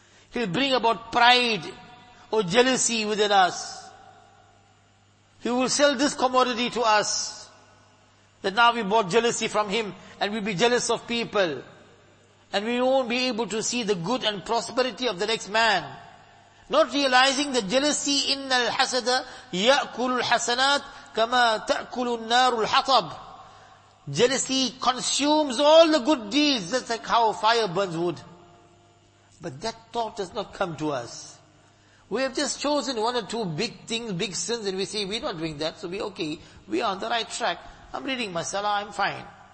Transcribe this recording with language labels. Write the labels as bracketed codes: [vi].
[en] He'll bring about pride or jealousy within us. He will sell this commodity to us, that now we bought jealousy from him, and we'll be jealous of people, and we won't be able to see the good and prosperity of the next man. Not realizing the jealousy, [ar] إِنَّ الْحَسَدَ يَأْكُلُ الْحَسَنَاتِ كَمَا تَأْكُلُ النَّارُ الْحَطَبِ. [en] Jealousy consumes all the good deeds, just like how fire burns wood. But that thought does not come to us. We have just chosen one or two big things, big sins, and we say, we're not doing that, so we're okay, we're on the right track. I'm reading my salah, I'm fine.